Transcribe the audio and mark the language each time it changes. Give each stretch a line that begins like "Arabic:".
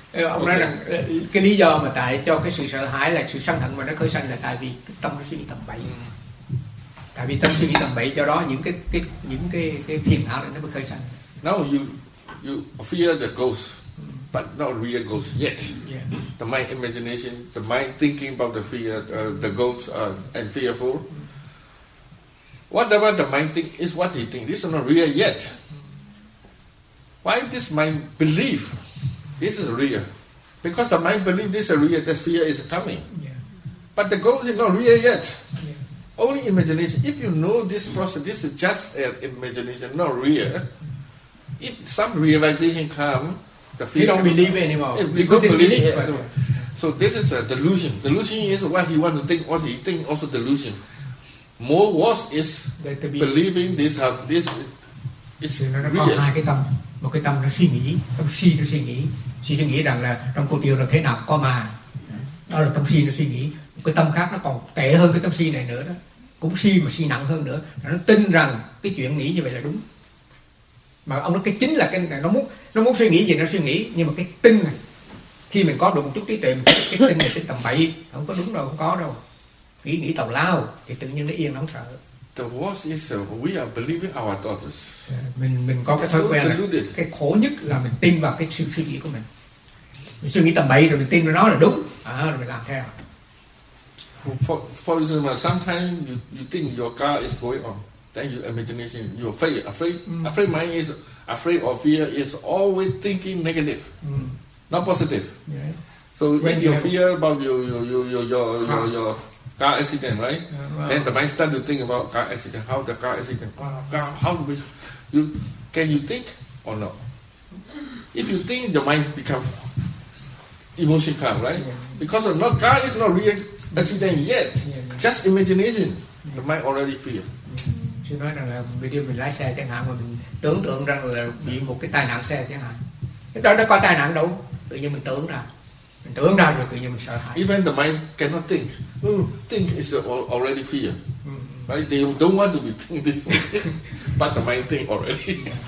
Vietnamese: Ông nói rằng cái lý do mà tại cho cái sự sợ hãi là sự sân hận mà nó khởi sanh là tại vì tâm nó suy nghĩ tầm bậy. Tại vì tâm suy nghĩ tầm bậy, do đó những cái phiền não nó mới khởi sanh.
English: Now you fear the ghost. but not real ghosts yet. Yeah. The mind imagination, the mind thinking about the fear, the ghosts and fearful. Whatever the mind think is what he think. This is not real yet. Why this mind believe this is real? Because the mind believe this is real, the fear is coming. Yeah. But the ghost is not real yet. Yeah. Only imagination. If you know this process, this is just an imagination, not real. If some realization come, the fear you don't believe come. Anymore. If you don't believe it. So this is a delusion. Delusion is what he wants to think, what he think also delusion. More worse is believing this have this is real.
Vietnamese: Một cái tâm nó suy nghĩ, tâm si nó suy nghĩ rằng là trong cô tiêu là thế nào có mà. Đó là tâm si nó suy nghĩ. Một cái tâm khác nó còn tệ hơn cái tâm si này nữa đó. Cũng si mà si nặng hơn nữa. Nó tin rằng cái chuyện nghĩ như vậy là đúng. Mà ông nói cái chính là cái nó muốn suy nghĩ gì nó suy nghĩ. Nhưng mà cái tin này, khi mình có được một chút trí tuệ, cái tin này tin tầm bậy, không có đúng đâu, không có đâu. Nghĩ tào lao, thì tự nhiên nó yên, nó không sợ.
English: The worst is we are believing our daughters.
Vietnamese: Mình có cái thói quen là cái khổ nhất là mình tin vào cái sự suy nghĩ của mình. Mình suy nghĩ tầm bậy rồi mình tin vào nó là đúng. À, rồi mình làm theo.
English: For example, sometimes you think your car is going on. Then your imagination, you're afraid mind is afraid or fear is always thinking negative, not positive. Yeah. So when you fear about your car accident, right? Yeah, then the mind start to think about car accident. How the car accident? Wow. How do we? You can you think or not? If you think, the mind become emotion come, right? Yeah. Because of not car is not real accident yet. Yeah. Just imagination. Yeah. The mind already fear.
Vietnamese: Chứ nói rằng là bây giờ mình lái xe chẳng hạn mà mình tưởng tượng rằng là bị một cái tai nạn xe chẳng hạn, cái đó nó có tai nạn đâu, tự nhiên mình tưởng ra rồi tự nhiên mình sợ hãi.
English: Even the mind cannot think, think is already fear, right? They don't want to be think this way, but the mind think already.